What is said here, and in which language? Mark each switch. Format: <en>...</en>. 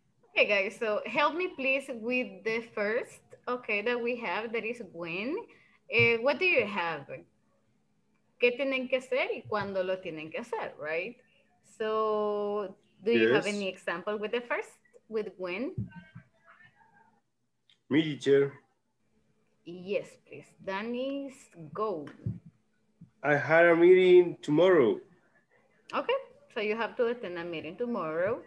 <en>Okay, guys, so help me please with the first, okay, that we have, that is when. What do you have?</en> <es>¿Qué tienen que hacer y cuándo lo tienen que hacer, right?</es> <en>So, do you have any example with the first, with when? Me, teacher. Yes, please. Danny's go. I had a meeting tomorrow. Okay, so you have to attend a meeting tomorrow.</en>